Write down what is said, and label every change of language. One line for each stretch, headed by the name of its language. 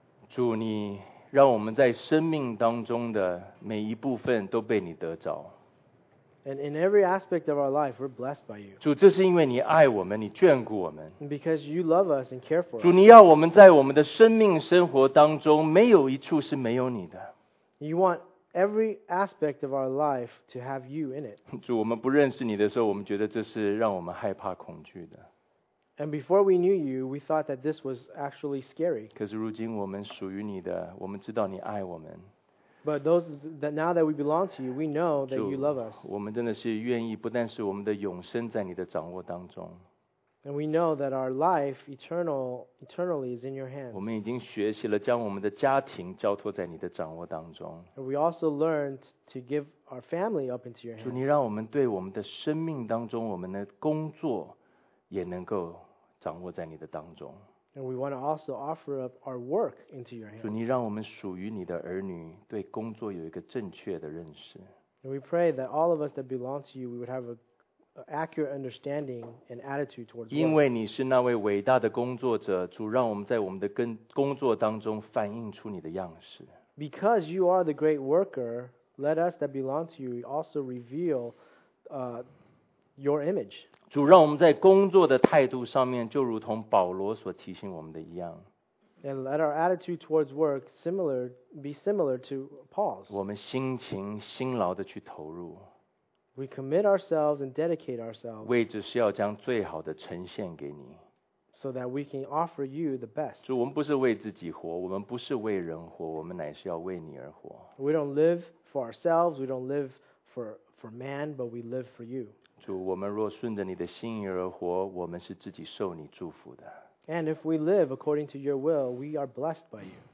Chinese: 主，你让我们在生命当中的每一部分都被你得着。
English: And in every aspect of our life, we're blessed by you.
Chinese: 主，这是因为你爱我们，你眷顾我们。
English: Because you love us and care for us.
Chinese: 主，你要我们在我们的生命生活当中，没有一处是没有你的。
English: You want every aspect of our life to have you in it.
Chinese: 主，我们不认识你的时候，我们觉得这是让我们害怕恐惧的。
English: And before we knew you, we thought that this was actually scary.
Chinese: 可是如今我们属于你的，我们知道你爱我们。
English: But those that now that we belong to you, we know that you love us.
Chinese: 我们真的是愿意，不但是我们的永生在你的掌握当中。
English: And we know that our life eternally is in your hands.
Chinese: 我们已经学习了将我们的家庭交托在你的掌握当中。
English: And we also learned to give our family up into your hands.
Chinese: 主，你让我们对我们的生命当中，我们的工作也能够掌握在你的当中。
English: And we want to also offer up our work into your hands.
Chinese: 主，你让我们属于你的儿女对工作有一个正确的认识。
English: And we pray that all of us that belong to you, we would have an accurate understanding and attitude towards work.
Chinese: 因为你是那位伟大的工作者，主，让我们在我们的工作当中反映出你的样式。
English: Because you are the great worker, let us that belong to you also reveal your image.
Chinese: 主，让我们在工作的态度上面，就如同保罗所提醒我们的一样。
English: And let our attitude towards work be similar to Paul's.
Chinese: 我们辛勤辛劳的去投入。
English: We commit ourselves and dedicate ourselves.
Chinese: 为只是要将最好的呈现给你。
English: So that we can offer you the best.
Chinese: 主，我们不是为自己活，我们不是为人活，我们乃是要为你而活。
English: We don't live for ourselves. We don't live for man, but we live for you.
Chinese: 主，我们若顺着你的心意而活，我们是自己受你祝福的。
English: And if we live according to your will, we are blessed by you.